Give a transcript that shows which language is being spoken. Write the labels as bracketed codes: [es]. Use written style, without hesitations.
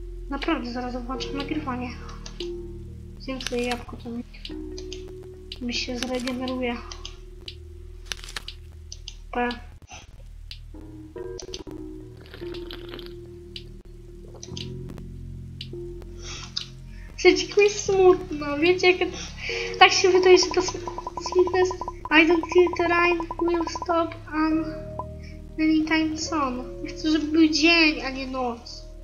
[pl] Naprawdę, zaraz włączam nagrywanie. Zjem sobie jabłko, to mi się zregeneruje. Pa. Przecież jest smutno, wiecie jak... Tak się wydaje, że to smutne jest. [en] I don't feel the rain will stop on any time soon. [pl] Chcę, żeby był dzień, a nie noc.